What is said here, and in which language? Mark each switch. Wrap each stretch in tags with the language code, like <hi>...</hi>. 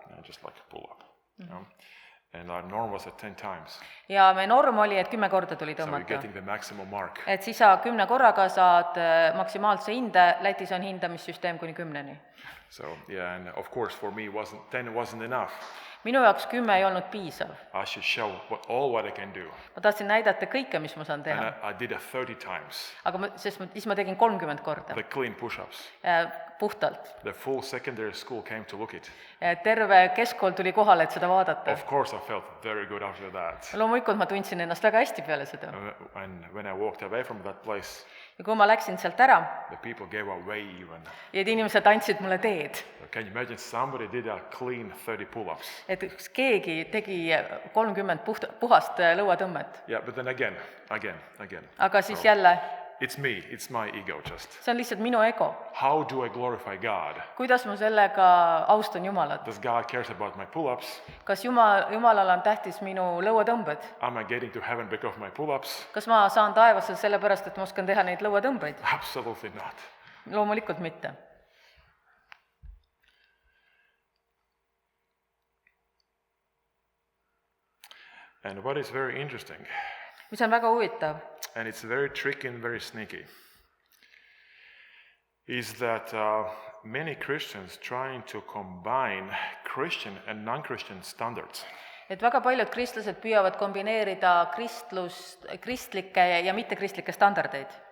<en>Just like a pull-up, you know. And our norm was at 10 times.</en> <et>Ja me norm oli, et 10 korda tuli tõmmata.</et> <en>So you're getting the maximum mark.</en> <et>Et siis sa 10 korraga saad maksimaalse hinde, Lätis on hindamissüsteem kuni 10.</et> <en>So, yeah, and of course for me wasn't 10 enough.</en> <et>Minu jaoks 10 ei olnud piisav.</et> <en>I should show all what I can do.</en> <et>Ma tahtsin näidata kõike, mis ma saan teha.</et> <en>And I did it 30 times.</en> <et>Aga siis ma tegin 30 korda.</et> <en>The clean push-ups.</en> <et>Puhtalt.</et> <en>The full secondary school came to look it.</en> <et>Terve keskkool tuli kohale, et seda vaadata.</et> <en>Of course I felt very good after that.</en> <et>Loomulikult ma tundsin ennast väga hästi peale seda.</et> <en>And when I walked away from that place.</en> <et>Ja kui ma läksin sealt ära.</et> <en>The people gave a wave.</en> <et>Ja inimesed andsid mulle teed.</et> <en>Can you imagine somebody did a clean 30 pull-ups?</en> <et>Et keegi tegi 30 puhast lõuatõmmet.</et> <en>Yeah, but then again.</en> <et>Aga siis jälle.</et> <en>It's me, it's my ego just.</en> <et>See on lihtsalt minu ego.</et> <en>How do I glorify God?</en> <et>Kuidas ma sellega austan Jumalat?</et> <en>Does God cares about my pull-ups?</en> <et>Kas Jumalal on tähtis minu lõuatõmbed?</et> <en>Am I getting to heaven because of my pull-ups?</en> <et>Kas ma saan taevasse sellepärast, et ma oskan teha neid lõuatõmbeid?</et> <en>Absolutely not.</en> <et>Loomulikult mitte.</et> <en>And what is very interesting?</en> <et>Mis on väga huvitav.</et> <en>And it's very tricky and very sneaky. Is that many Christians trying to combine Christian and non-Christian standards.</en> <et>Et väga paljud kristlased püüavad kombineerida kristlikke ja mittekristlikke standardeid.</et>